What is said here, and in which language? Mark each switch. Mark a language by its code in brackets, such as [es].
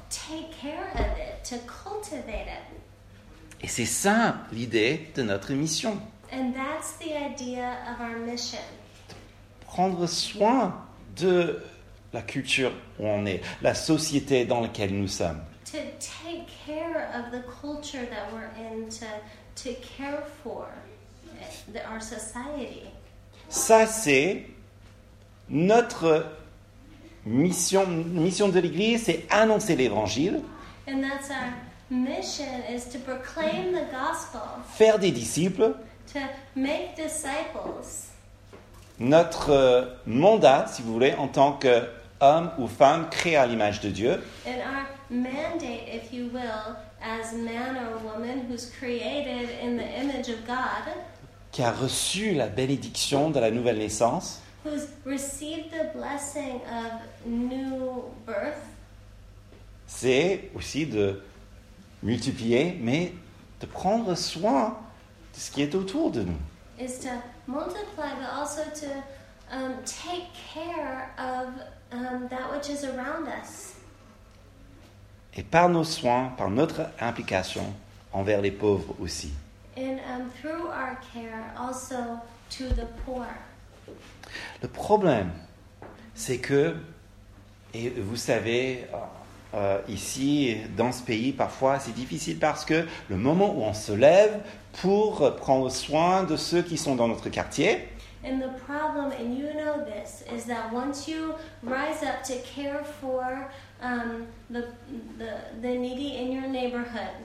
[en] Take care of it, to cultivate it. [fr] Et c'est ça l'idée de notre mission. [en] And that's the idea of our mission. [fr] De prendre soin de la culture où on est, la société dans laquelle nous sommes. [en] To take care of the culture that we're in, to care for our society. [fr] Ça, c'est notre mission de l'Église, c'est annoncer l'Évangile. [en] And that's our mission, is to proclaim the gospel. [fr] Faire des disciples. [en] To make disciples. [fr] Notre mandat, si vous voulez, en tant qu'homme ou femme créé à l'image de Dieu. [en] And our mandate, if you will, as man or woman who's created in the image of God. [fr] Qui a reçu la bénédiction de la nouvelle naissance. [en] Who's received the blessing of new birth. [fr] C'est aussi de multiplier, mais de prendre soin de ce qui est autour de nous. [en] Is to multiply, but also to take care of that which is around us. [fr] Et par nos soins, par notre implication envers les pauvres aussi. [en] And through our care also to the poor. [fr] Le problème, c'est que, et vous savez, ici, dans ce pays, parfois, c'est difficile parce que le moment où on se lève pour prendre soin de ceux qui sont dans notre quartier. [en] And the problem, and you know this, is that once you rise up to care for the needy in your neighborhood.